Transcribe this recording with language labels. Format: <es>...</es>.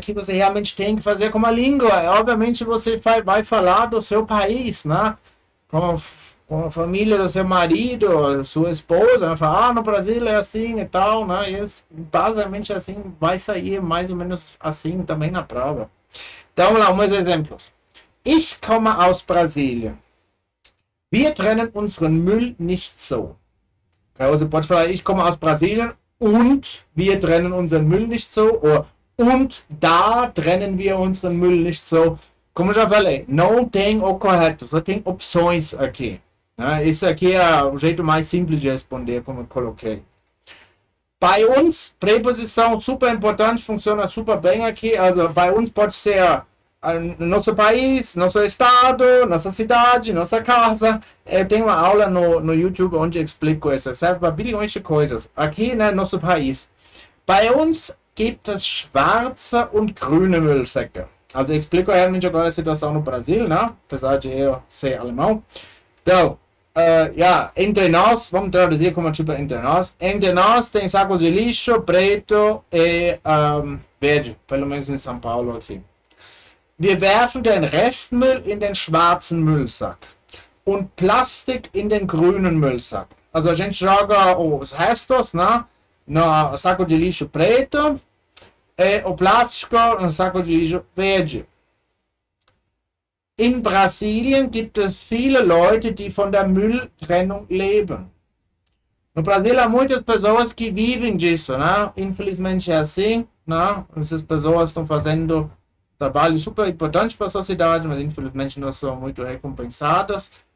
<pt>Que você realmente tem que fazer com a língua. Obviamente você vai falar do seu país, né? Com a família do seu marido, sua esposa, né? Fala, no Brasil é assim e tal, né? E basicamente assim vai sair mais ou menos assim também na prova. Então, vamos lá, uns exemplos.</pt> <de>Ich komme aus Brasilien. Wir trennen unseren Müll nicht so.</de> <pt>Okay, você pode falar,</pt> <de>ich komme aus Brasilien und wir trennen unseren Müll nicht so. Oder und da trennen wir unseren Müll nicht so.</de> <pt>Como já falei, não tem o correto, só tem opções aqui. Esse aqui é o jeito mais simples de responder, como eu coloquei.</pt> <de>Bei uns, Präposition</de> <pt>super important, funciona super bem aqui.</pt> <de>Also bei uns</de> <pt>pode ser nosso país, nosso estado, nossa cidade, nossa casa. Eu tenho uma aula no YouTube onde eu explico isso. Serve para bilhões de coisas. Aqui, né, nosso país.</pt> <de>Bei uns gibt es schwarze und grüne Müllsäcke.</de> <pt>Also eu explico realmente agora a situação no Brasil, né? Apesar de eu ser alemão. Então, entre nós, vamos traduzir como tipo entre nós tem saco de lixo preto e verde, pelo menos em São Paulo aqui.</pt> <de>Wir werfen den Restmüll in den schwarzen Müllsack und Plastik in den grünen Müllsack.</de> <pt>Also a gente joga os restos, né, no saco de lixo preto e o plástico no saco de lixo verde.</pt> <de>In Brasilien gibt es viele Leute, die von der Mülltrennung leben.</de> <pt>No Brasil há muitas pessoas que vivem disso, né? Infelizmente é assim, né? Essas pessoas estão fazendo trabalho super importante para a sociedade, mas infelizmente não são muito recompensadas.</pt>